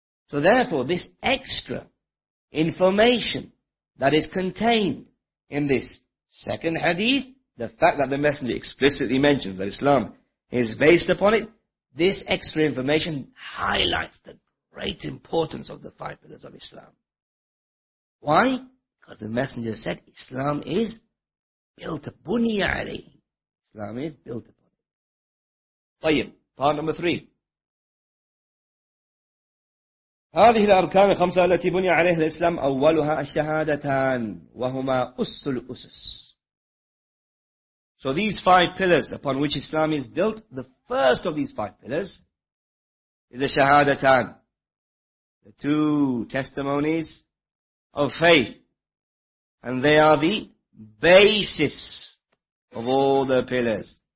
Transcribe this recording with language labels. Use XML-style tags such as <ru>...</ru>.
<en>So therefore, this extra information that is contained in this second hadith, the fact that the messenger explicitly mentions that Islam is based upon it, this extra information highlights the great importance of the five pillars of Islam. Why? Because the messenger said Islam is built upon it. Islam is built upon it. طيب, part number three.</en> <ar>هذه الأركان الخمسة التي بني عليها الإسلام أولها الشهادتان وهما أس الأسس.</ar> <en>So these five pillars upon which Islam is built, the first of these five pillars is the shahadatan, the two testimonies of faith, and they are the basis of all the pillars.</en>